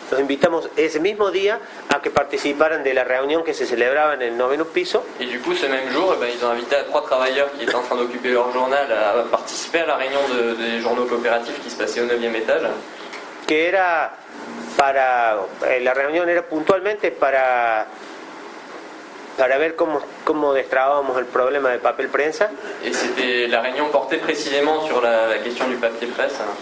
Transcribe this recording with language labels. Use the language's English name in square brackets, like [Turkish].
[Spanish] Los invitamos ese mismo día a que participaran de la reunión que se celebraba en el noveno piso. [French] Et du coup, ce même jour, eh ben, ils ont invité à trois travailleurs qui étaient en train d'occuper leur journal à participer à la réunion des journaux coopératifs qui se passait au 9e étage. [Spanish] Que era para la reunión era puntualmente para ver cómo destrabábamos el problema del papel prensa. [French] Et c'était la réunion portée précisément sur la question du papier presse.